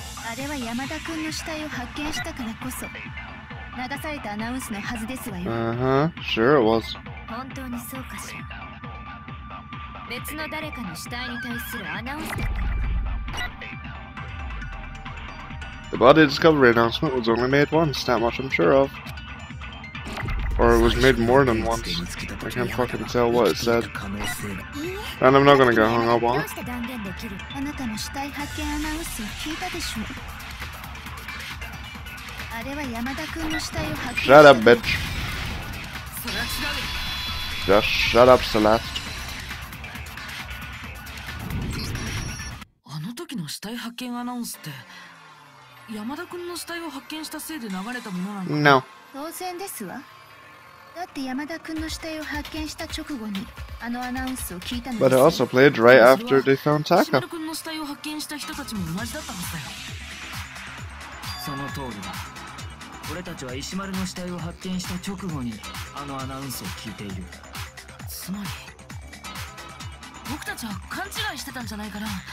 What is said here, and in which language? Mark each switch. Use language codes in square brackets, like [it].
[ja] あれは山田君の死体を発見したからこそ流されたアナウンスのはずですわよ。 [en] Sure it was. [ja] 本当にそうかしら。別の誰かの死体に対するアナウンスだったのか。 [en] The body discovery announcement was only made once, that much I'm sure of. Or it was made more than once. I can't fucking tell what it said. And I'm not gonna get hung up on it. [ja] どうして断言できる？あなたの死体発見アナウンスを聞いたでしょう。あれは山田君の死体を発見した。 [en] Shut up, bitch. [ja] それは違う。 [en] Just shut up, Celeste. [ja] あの時時の死体発見アナウンスって山田君の死体を発見したせいで流れたものなの？ [en] No. [ja] 当然ですわ。だって山田君の死体を発見した直後にあのアナウンスを聞いたのです。 [en] But it also played right after they found Taka. [ja] 山田君の死体を発見した人たちも同じだったのかよ。その通りだ。俺たちは石丸の死体を発見した直後にあのアナウンスを聞いている。つまり僕たちは勘違いしてたんじゃないかな。